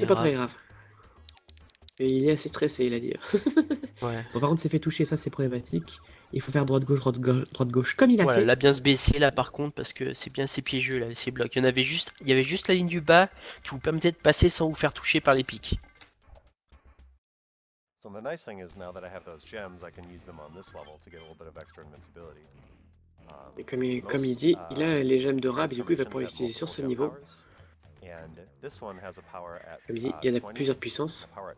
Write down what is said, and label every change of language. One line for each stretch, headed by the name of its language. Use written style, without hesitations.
French: C'est pas très grave. Et il est assez stressé, il a dit. Ouais. Bon, par contre, il s'est fait toucher, ça c'est problématique. Il faut faire droite-gauche, droite-gauche, comme il a voilà, fait. Là, bien se baisser, là, par contre, parce que c'est bien, c'est piégeux, là, ces blocs. Il y avait juste la ligne du bas qui vous permettait de passer sans vous faire toucher par les pics.
English: So the nice thing is now that I have those gems, I can use them on this level to get a little bit of extra invincibility.
French: Et comme il dit, il a les gemmes de Rab, du coup il va pouvoir les utiliser sur ce niveau. Comme il dit, il y en a plusieurs puissances.